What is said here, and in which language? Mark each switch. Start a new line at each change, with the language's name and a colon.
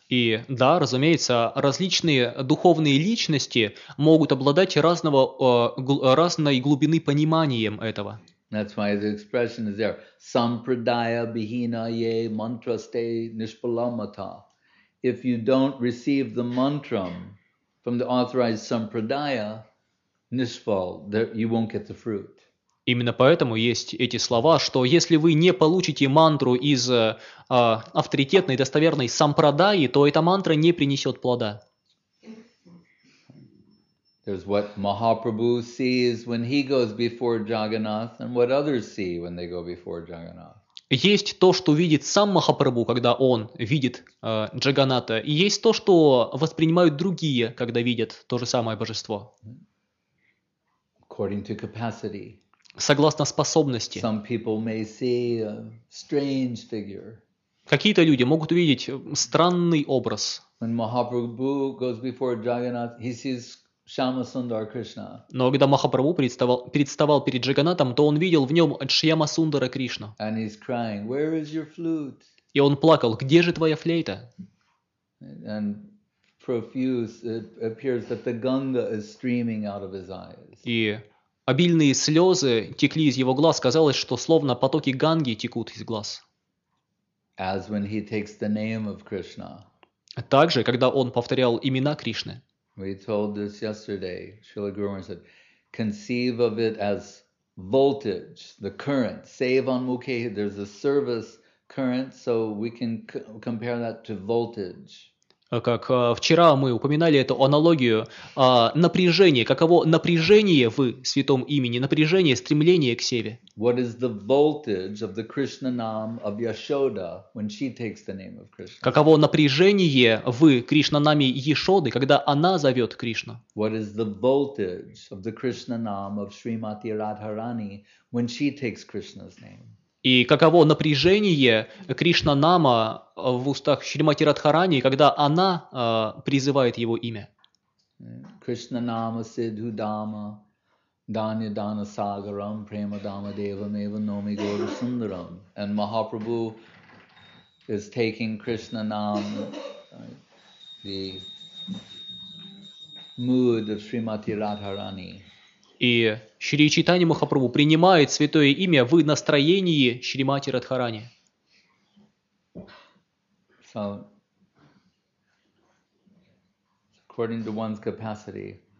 Russian: И да, разумеется, различные духовные личности могут обладать разного, разной глубины пониманием этого.
English: That's why the expression is there.
Sanskrit: Sampradaya bihina ye mantraste nishpalamata.
English: If you don't receive the mantra from the authorized sampradaya, nishpal, you won't get the fruit.
Russian: Именно поэтому есть эти слова, что если вы не получите мантру из авторитетной, достоверной сампрадаи, то эта мантра не принесет плода.
English: There's what Mahaprabhu sees when he goes before Jagannath, and what others see when they go before Jagannath.
Russian: Есть то, что видит сам Махапрабху, когда он видит Джаганната, и есть то, что воспринимают другие, когда видят то же самое божество.
English: According to capacity.
Russian: Согласно способности.
English: Some people may see a strange figure.
Russian: Какие-то люди могут увидеть странный образ.
English: When Mahaprabhu goes before Jagannath, he sees Shyamasundara Krishna.
Russian: Но когда Махапрабху представал перед Джаганатом, то он видел в нем Шьямасундара Кришну.
English: And he's crying, "Where is your flute?"
Russian: И он плакал, где же твоя флейта?
English: And profuse, it appears that the Ganga is streaming out of his eyes.
Russian: И обильные слезы текли из его глаз, казалось, что словно потоки Ганги текут из глаз.
English: As when he takes the name of Krishna.
Russian: Также, когда он повторял имена Кришны.
English: We told this yesterday. Srila Guru Maharaj said, conceive of it as voltage, the current. Sevan Mukhe, there's a service current, so we can compare that to voltage.
Russian: Как вчера мы упоминали эту аналогию, напряжение, каково напряжение в святом имени, напряжение, стремление к Севе.
English: What is the voltage of the Krishna name of Yashoda when she takes the name of Krishna?
Russian: Каково напряжение в Кришнанаме Яшоды, когда она зовет Кришну?
English: What is the voltage of the Krishna name of Srimati Radharani when she takes Krishna's name?
Russian: И каково напряжение Кришна-нама в устах Шримати Радхарани, когда она призывает его имя?
Sanskrit: Кришна-нама Сидхудама, Данья-дана Сагарам, Према-дама Девамева, Номи Гору Сундарам.
English: And Mahaprabhu is taking Кришна-нам, the mood of Шримати Радхарани.
Russian: И Шри Чайтанья Махапрабху принимает святое имя в настроении Шримати Радхарани.
English: So, according to one's capacity.